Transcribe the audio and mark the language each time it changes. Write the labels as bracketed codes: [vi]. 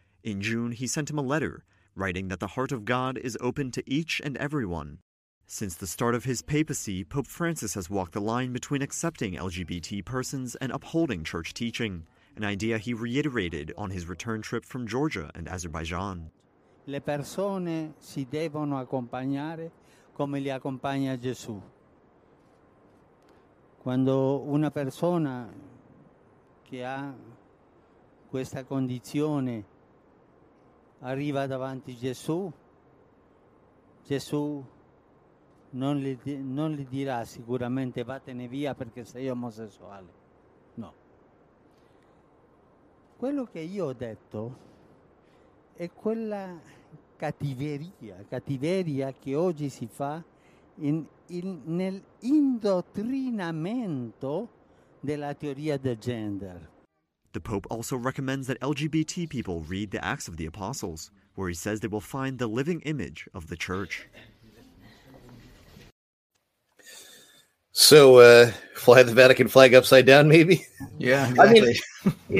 [en] In June, he sent him a letter, writing that the heart of God is open to each and everyone. Since the start of his papacy, Pope Francis has walked the line between accepting LGBT persons and upholding church teaching, an idea he reiterated on his return trip from Georgia and Azerbaijan. [it] Le persone si devono accompagnare come li accompagna Gesù. Quando una persona che ha questa condizione arriva davanti Gesù, Gesù non gli dirà sicuramente vattene via perché sei omosessuale. No. Quello che io ho detto è quella cattiveria che oggi si fa nel indottrinamento della teoria del gender. [en] The Pope also recommends that LGBT people read the Acts of the Apostles, where he says they will find the living image of the church. So, fly the Vatican flag upside down, maybe? Yeah, exactly. I mean,